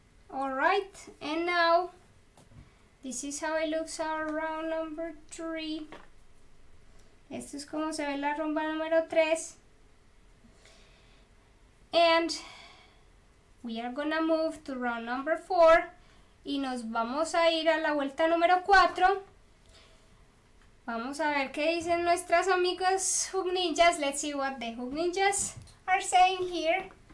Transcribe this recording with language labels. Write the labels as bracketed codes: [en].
[en] All right, and now this is how it looks our round number 3. [es] Esto es como se ve la rumba número 3. [en] And we are gonna move to round number 4. [es] Y nos vamos a ir a la vuelta número 4. Vamos a ver qué dicen nuestras amigas Hook Ninjas. [en] Let's see what the Hook Ninjas are saying here.